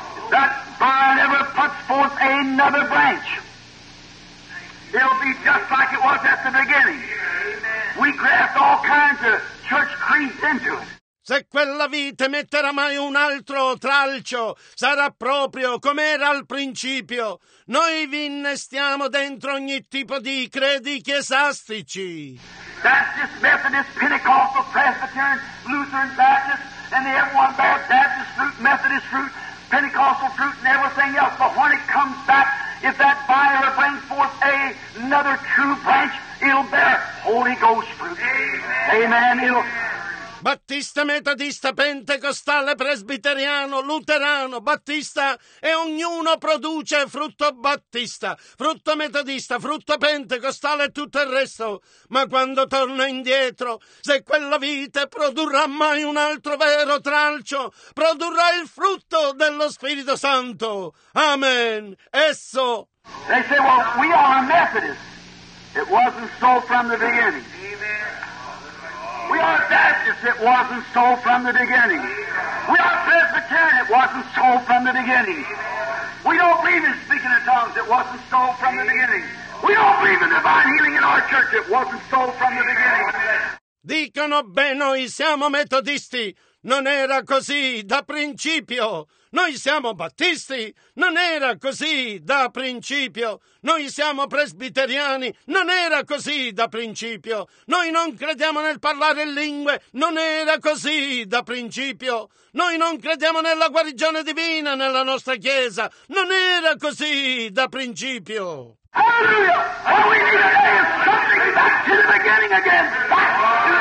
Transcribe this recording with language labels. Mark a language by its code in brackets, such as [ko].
[en] That vine ever puts forth another branch. It'll be just like it was at the beginning. Amen. We craft all kinds of church creeds into it. [it] Se quella vite metterà mai un altro tralcio, sarà proprio come era al principio. Noi vi innestiamo dentro ogni tipo di credi chiesastici. [en] Baptist, Methodist, Pentecostal, Presbyterian, Lutheran, Baptist, and everyone bears Baptist fruit, Methodist fruit, Pentecostal fruit, and everything else. But when it comes back, if that fire brings forth another true branch, it'll bear Holy Ghost fruit. Amen. [it] Battista, metodista, pentecostale, presbiteriano, luterano, battista, e ognuno produce frutto battista, frutto metodista, frutto pentecostale e tutto il resto. Ma quando torna indietro, se quella vite produrrà mai un altro vero tralcio, produrrà il frutto dello Spirito Santo. Amen. Esso. [en] They say, well, we are a Methodist. It wasn't so from the beginning. We are Baptist, it wasn't so from the beginning. We are Presbyterian, it wasn't so from the beginning. We don't believe in speaking in tongues, it wasn't so from the beginning. We don't believe in divine healing in our church, it wasn't so from the beginning. [it] Dicono beh, noi siamo metodisti. Non era così da principio. Noi siamo battisti. Non era così da principio. Noi siamo presbiteriani. Non era così da principio. Noi non crediamo nel parlare in lingue. Non era così da principio. Noi non crediamo nella guarigione divina nella nostra chiesa. Non era così da principio. [en] Hallelujah! All we need today is something back to the beginning again. Back to